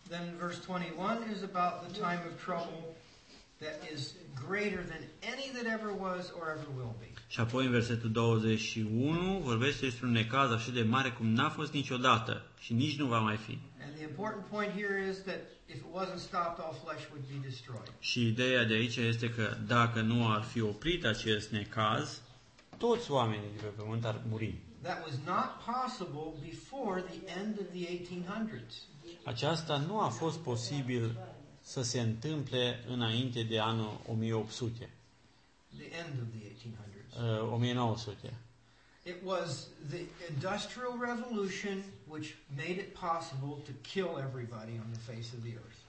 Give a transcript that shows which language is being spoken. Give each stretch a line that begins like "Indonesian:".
English: Then verse 21 is about the time of trouble that is greater than any that ever was or ever will be.
Romanian: Și apoi în versetul 21 vorbește despre un necaz așa de mare cum n-a fost niciodată și nici nu va mai fi.
English: And the important point here is that if it wasn't stopped, all flesh would be destroyed.
Romanian: Și ideea de aici este că dacă nu ar fi oprit acest necaz, toți oamenii de pe pământ ar muri.
English: That was not possible before the end of the 1800s.
Romanian: Aceasta nu a fost posibil să se întâmple înainte de anul 1800.
English: The end of the 1800s. 1900. It was the industrial revolution which made it possible to kill everybody on the face of the earth.